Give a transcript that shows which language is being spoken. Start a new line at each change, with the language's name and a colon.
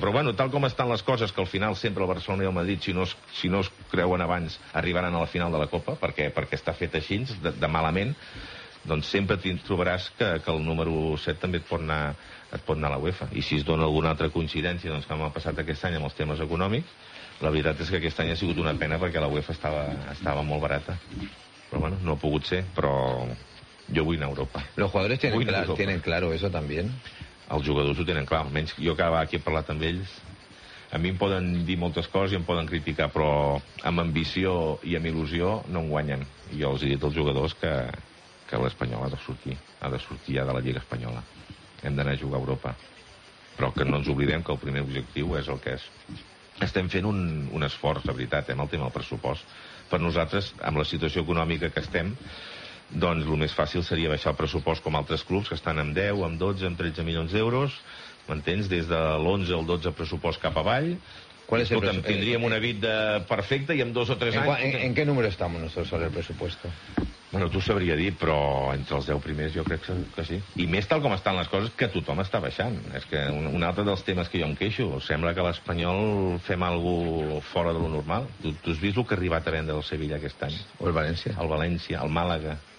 Catalan: Però, bueno, tal com estan les coses, que al final sempre el Barcelona i el Madrid, si no es creuen abans, arribaran a la final de la Copa, perquè està fet així, de malament, doncs sempre trobaràs que el número 7 també et pot anar a la UEFA. I si es dona alguna altra coincidència, doncs, que m'ha passat aquest any amb els temes econòmics, la veritat és que aquest any ha sigut una pena, perquè la UEFA estava molt barata. Però bueno, no ha pogut ser, però jo vull anar a Europa.
Spanish: Los jugadores tienen claro eso también.
Catalan: Els jugadors ho tenen clar, almenys jo cada vegada que he parlat amb ells. A mi em poden dir moltes coses i em poden criticar, però amb ambició i amb il·lusió no em guanyen. I jo els he dit als jugadors que l'Espanyol ha de sortir ja de la Lliga Espanyola. Hem d'anar a jugar a Europa. Però que no ens oblidem que el primer objectiu és el que és. Estem fent un esforç, de veritat, amb el tema del pressupost. Per nosaltres, amb la situació econòmica que estem, doncs el més fàcil seria baixar el pressupost com altres clubs que estan amb 10, amb 12, amb 13 milions d'euros, m'entens? Des de l'11 al 12 pressupost cap avall.
Spanish: ¿Cuál es el
Catalan: pressupost? Tindríem una vida perfecta i amb 2 o 3 anys...
Spanish: ¿En qué número estamos nosotros sobre el presupuesto?
Catalan: Bueno, tu sabria dir, però entre els 10 primers jo crec que sí. I més tal com estan les coses, que tothom està baixant. És que un altre dels temes que jo em queixo, sembla que l'Espanyol fem algo fora de lo normal. Tu has vist el que ha arribat a vendre el Sevilla aquest any? O el València. El València, el Màlaga.